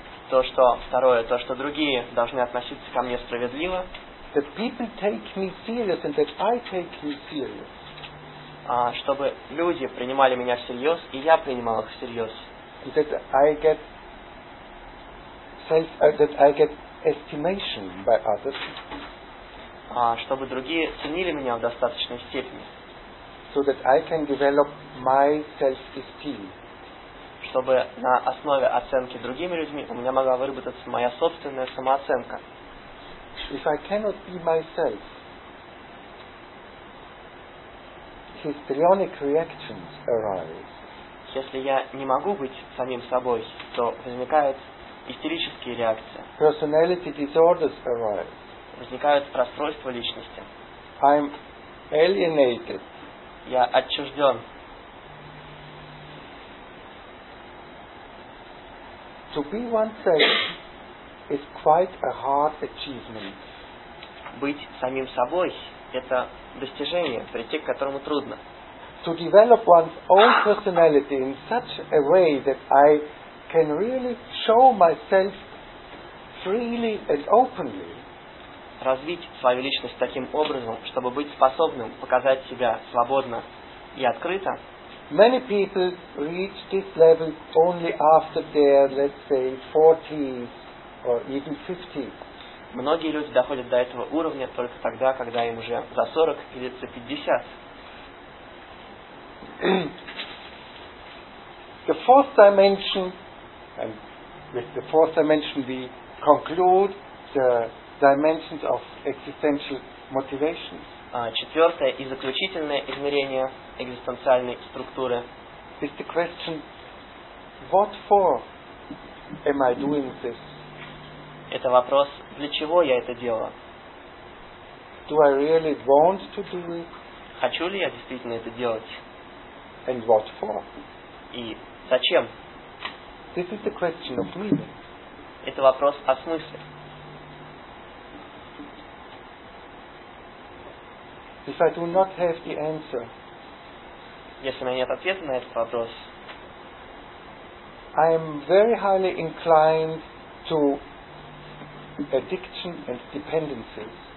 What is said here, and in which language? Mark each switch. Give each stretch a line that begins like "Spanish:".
Russian: То, что второе, то, что другие должны относиться ко мне справедливо.
English: That people take me serious and that I take me serious.
Russian: Чтобы люди принимали меня всерьез, и я принимал их всерьез.
English: And that I get that I get estimation by others.
Russian: Чтобы другие ценили меня в достаточной степени.
English: So that I can develop my self-esteem.
Russian: Чтобы на основе оценки другими людьми у меня могла выработаться моя собственная самооценка.
English: If I cannot be myself, histrionic reactions arise.
Russian: Если я не могу быть самим собой, то возникают истерические реакции.
English: Personality disorders arise.
Russian: Возникают расстройства личности.
English: I'm alienated.
Russian: Я отчужден.
English: To be oneself is quite a hard achievement.
Russian: Быть самим собой – это достижение, прийти к которому трудно.
English: To develop one's own personality in such a way that I can really show myself freely and openly.
Russian: Развить свою личность таким образом, чтобы быть способным показать себя свободно и открыто.
English: Many people reach this level only after their, let's say, 40s or even 50s.
Russian: Многие люди доходят до этого уровня только тогда, когда им уже за 40 или за 50.
English: The fourth dimension, and with the fourth dimension we conclude the dimensions of existential motivation.
Russian: Четвертое и заключительное измерение экзистенциальной структуры.
English: Is the question, what for am I doing this?
Russian: Это вопрос, для чего я это делаю?
English: Do I really want to do it?
Russian: Хочу ли я действительно это делать?
English: And what for?
Russian: И зачем?
English: This is the question of meaning.
Russian: Это вопрос о смысле.
English: If I do not have the answer,
Russian: если у меня нет ответа на этот вопрос,
English: I am very highly inclined to addiction and dependencies.